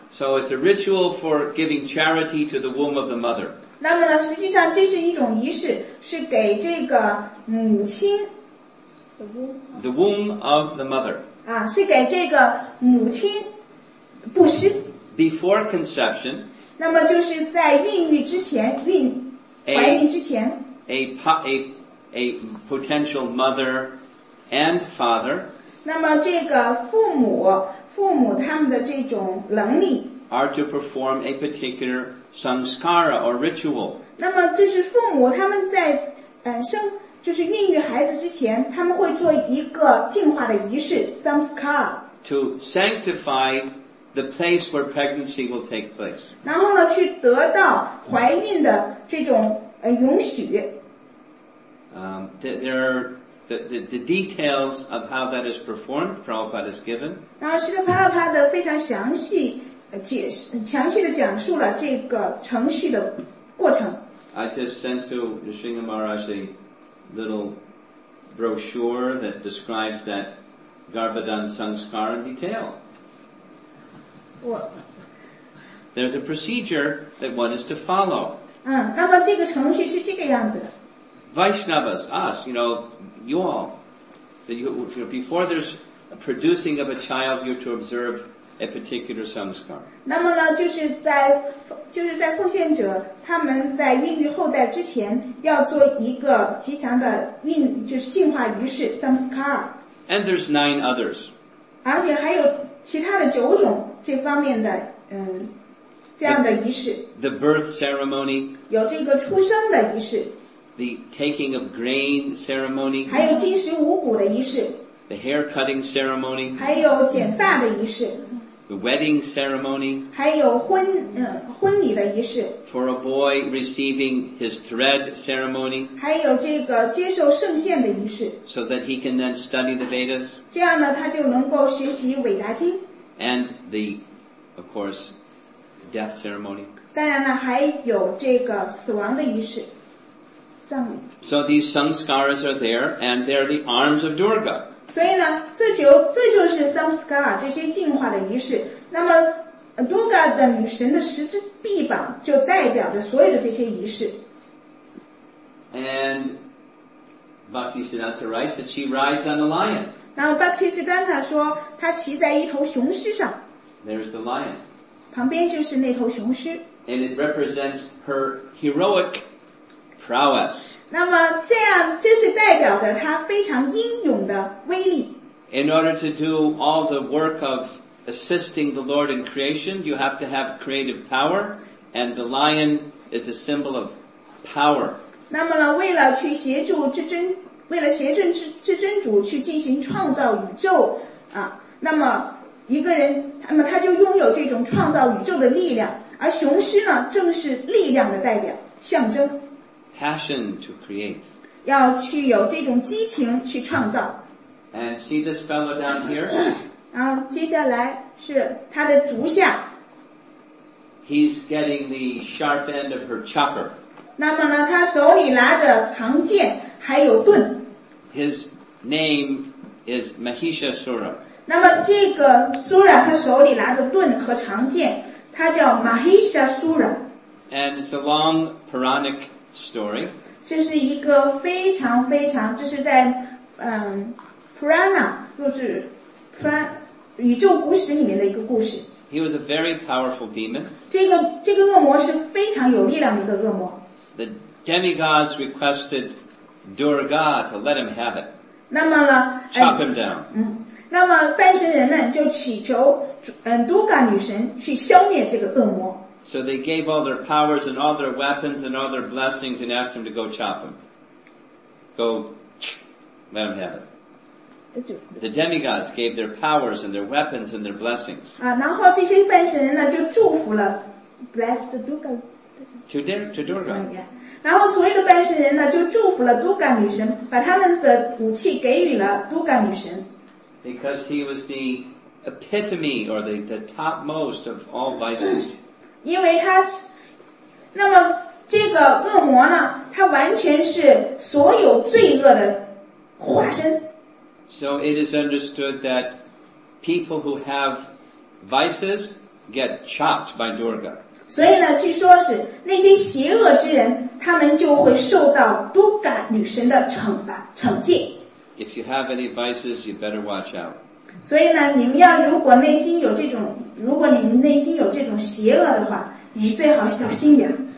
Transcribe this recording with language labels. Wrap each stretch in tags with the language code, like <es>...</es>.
<en>So it's a ritual for giving charity to the womb of the mother.</en> <zh>那么呢，实际上这是一种仪式，是给这个母亲</zh> <en>，the womb of the mother，</en> <zh>啊，是给这个母亲布施。</zh> <en>Before conception，</en> <zh>那么就是在孕育之前，怀孕之前</zh> <en>，a potential mother and father，</en> <zh>那么这个父母他们的这种能力</zh> <en>，are to perform a particular。 Sanskara or ritual.</en> <zh>那么这是父母他们在生就是孕育孩子之前，他们会做一个净化的仪式 ，samskar。</zh> <en>To sanctify the place where pregnancy will take place.</en> <zh>然后呢，去得到怀孕的这种允许。</zh> <en>There are the details of how that is performed. Prabhupada has given.</en> <zh>然后，释迦牟尼佛的非常详细解释，详细的讲述了这个程序的过程。</zh> <en>I just sent to Nrisimha Maharaj a little brochure that describes that Garbhadhan Sanskar in detail. There's a procedure that one is to follow.</en> <zh>那么这个程序是这个样子的。</zh> <en>Vaishnavas, us, you know, you all, before there's a producing of a child, you're to observe a particular samskar.</en> <zh>那么呢，就是在奉献者他们在孕育后代之前，要做一个吉祥的孕，就是净化仪式 samskar.</zh> <en>And there's 9 others.</en> <zh>而且还有其他的九种这方面的这样的仪式。</zh> <en>The birth ceremony.</en> <zh>有这个出生的仪式。</zh> <en>The taking of grain ceremony.</en> <zh>还有金石五谷的仪式。</zh> <en>The hair cutting ceremony.</en> <zh>还有剪发的仪式。</zh> <en>The wedding ceremony.</en> <zh>还有婚礼的仪式。</zh> <en>For a boy receiving his thread ceremony.</en> <zh>还有这个接受圣线的仪式。</zh> <en>So that he can then study the Vedas.</en> <zh>这样呢，他就能够学习韦达经。</zh> <en>And the, of course, death ceremony.</en> <zh>当然呢，还有这个死亡的仪式。葬礼。</zh> <en>So these samskaras are there, and they're the arms of Durga.</en> <zh>所以呢，这就是 samskara 这些净化的仪式。那么 ，Durga 的女神的十字臂膀就代表着所有的这些仪式。</zh> <en>And Bhakti Siddhanta writes that she rides on a lion.</en> <zh>然后 Bhakti Siddhanta 说，她骑在一头雄狮上。</zh> <en>There's the lion.</en> <zh>旁边就是那头雄狮。</zh> <en>And it represents her heroic prowess.</en> <zh>那么这样，这是代表着他非常英勇的威力。</zh> <en>In order to do all the work of assisting the Lord in creation, you have to have creative power, and the lion is a symbol of power.</en> <zh>那么呢，为了去协助至尊，为了协助至尊主去进行创造宇宙啊，那么一个人，那么他就拥有这种创造宇宙的力量，而雄狮呢，正是力量的代表象征。</zh> <en>Passion to create.</en> <zh>要去有这种激情去创造。</zh> <en>And see this fellow down here.</en> <zh>然后接下来是他的足下。</zh> <en>He's getting the sharp end of her chopper.</en> <zh>那么呢，他手里拿着长剑，还有盾。</zh> <en>His name is Mahishasura.</en> <zh>那么这个 Sura 他手里拿着盾和长剑，他叫 Mahishasura.</zh> <en>And it's a long Puranic. Story.</en> <zh>这是一个非常非常，这是在Purana 就是 宇宙古史里面的一个故事。</zh> <en>He was a very powerful demon.</en> <zh>这个恶魔是非常有力量的一个恶魔。</zh> <en>The demigods requested Durga to let him have it.</en> <zh>那么呢</zh> <en>？Chop him down.</en> <zh>那么半神人们就祈求Durga 女神去消灭这个恶魔。</zh> <en>So they gave all their powers and all their weapons and all their blessings and asked him to go chop him. Go, let him have it. The demigods gave their powers and their weapons and their blessings.</en> <zh>然后这些半神人呢就祝福了 ,</zh> <en>blessed Durga. To Durga.</en> <zh>然后所有的半神人呢就祝福了 Durga 女神，把他们的武器给予了 Durga 女神。</zh> <en>Because he was the epitome or the topmost of all vices.</en> <zh>因为他，那么这个恶魔呢，他完全是所有罪恶的化身。</zh> <en>So it is understood that people who have vices get chopped by Durga.</en> <zh>所以呢，据说是那些邪恶之人，他们就会受到 Durga 女神的惩罚、惩戒。</zh> <en>If you have any vices, you better watch out.</en> <zh>所以呢，你们要如果内心有这种，如果你们内心有这种邪恶的话，你最好小心点。</zh>